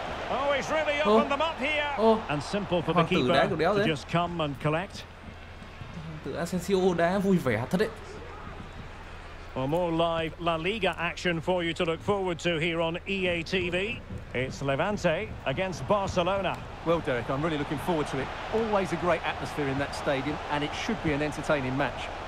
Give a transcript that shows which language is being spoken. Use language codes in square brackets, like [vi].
[en] Oh, he's really opened them up here. Oh. And simple for Hoàng the keeper to just come and collect. [vi] Asensio đá vui vẻ thật đấy. [en] Well, more live La Liga action for you to look forward to here on EA TV. It's Levante against Barcelona. Well, Derek, I'm really looking forward to it. Always a great atmosphere in that stadium, and it should be an entertaining match.